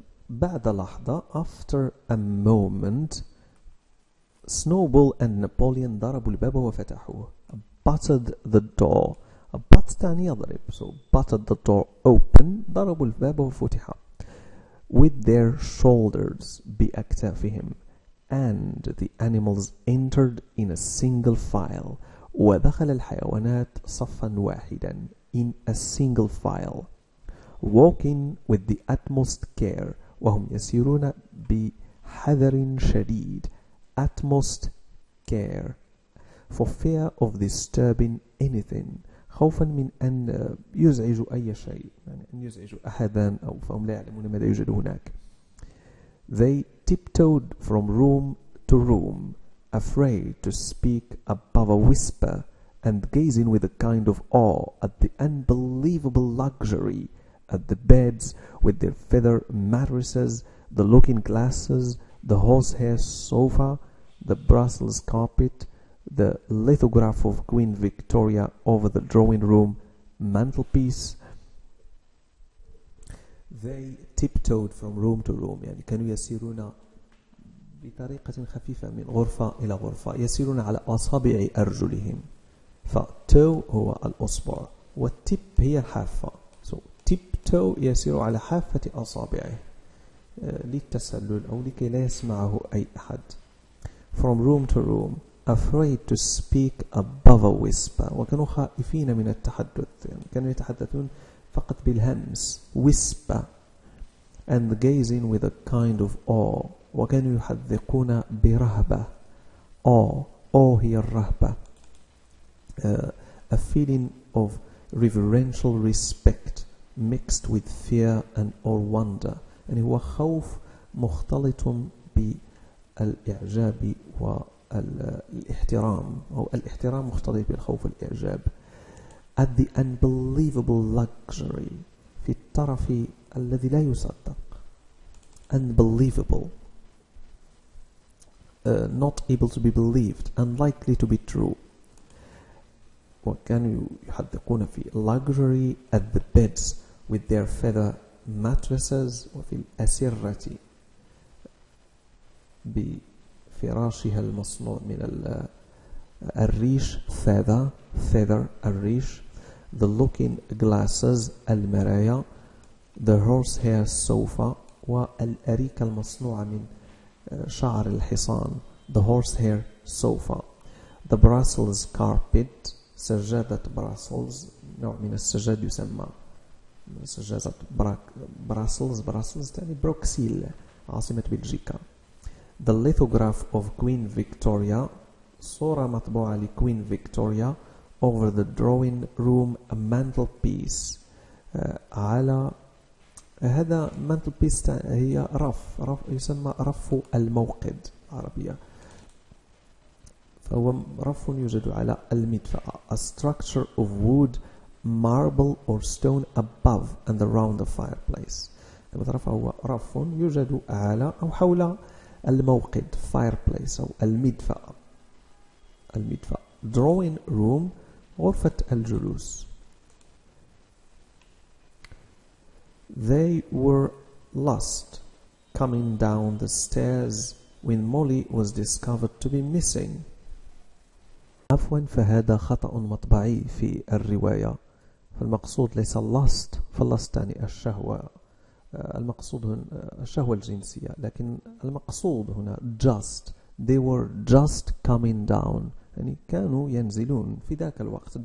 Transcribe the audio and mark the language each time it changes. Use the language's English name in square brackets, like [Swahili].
[Arabic] بعد لحظة, [English] after a moment, [Arabic] Snowball and Napoleon ضربوا الباب وفتحوه. [English] Butted the door. But [Arabic] تعني يضرب. [English] So butted the door open. [Arabic] ضربوا الباب وفتح. [English] With their shoulders, [Arabic] بأكتافهم. [English] And the animals entered in a single file. [Arabic] ودخل الحيوانات صفا واحدا. [English] In a single file. Walking with the utmost care. [Arabic] وهم يسيرون بحذر شديد. [English] Utmost care. For fear of disturbing anything. [Arabic] خوفا من أن يزعج أي شيء. يعني أن يزعج أحدا أو فهم لا يعلمون ماذا يوجد هناك. [English] They tiptoed from room to room, afraid to speak above a whisper and gazing with a kind of awe at the unbelievable luxury, at the beds with their feather mattresses, the looking glasses, the horsehair sofa, the Brussels carpet, the lithograph of Queen Victoria over the drawing room mantelpiece. They tiptoed from room to room. [Arabic] يعني كانوا يسيرون بطريقة خفيفة من غرفة إلى غرفة. يسيرون على أصابع أرجلهم. فtoe هو الأصبع. والtip هي الحافة. So tiptoe يسير على حافة أصابعه للتسلل أو لكي لا يسمعه أي أحد. [English] From room to room, afraid to speak above a whisper. [Arabic] وكانوا خائفين من التحدث. يعني كانوا يتحدثون فقط بالهمس. [English] Whisper. And gazing with a kind of awe. [Arabic] وكانوا يحذقون برهبة. Awe. Awe هي الرهبة. [English] A feeling of reverential respect mixed with fear and awe wonder. [Arabic] يعني هو خوف مختلط ب الإعجاب والاحترام أو الاحترام مختلط بالخوف والإعجاب. [English] At the unbelievable luxury, [Arabic] في الطرف الذي لا يصدق. [English] Unbelievable, not able to be believed, unlikely to be true. [Arabic] وكانوا يحذقون في [English] luxury at the beds with their feather mattresses, [Arabic] وفي الأسرة بفراشها المصنوع من الريش, feather الريش, [English] the looking glasses [Arabic] المرايا, [English] the horse hair sofa [Arabic] والأريكة المصنوعة من شعر الحصان, the horse hair sofa, [English] the Brussels carpet [Arabic] سجادة Brussels, نوع من السجاد يسمى سجادة Brussels. Brussels تعني بروكسيل, عاصمة بلجيكا. [English] The lithograph of Queen Victoria, [Arabic] صورة مطبوعة لQueen Victoria, [English] over the drawing room a mantelpiece. [Arabic] على هذا mantelpiece هي رف يسمى رف الموقد عربية. فهو رف يوجد على المدفأة. [English] A structure of wood, marble or stone above and around the fireplace. [Arabic] هذا رف هو رف يوجد على أو حول الموقد, fireplace أو المدفأ. [English] Drawing room, [Arabic] غرفة الجلوس. [English] They were lost coming down the stairs when Molly was discovered to be missing. [Arabic] عفوا, فهذا خطأ مطبعي في الرواية. فالمقصود ليس lost, فاللست يعني الشهوة. المقصود هنا الشهوة الجنسية, لكن المقصود هنا just. [English] They were just coming down, [Arabic] يعني كانوا ينزلون في ذاك الوقت.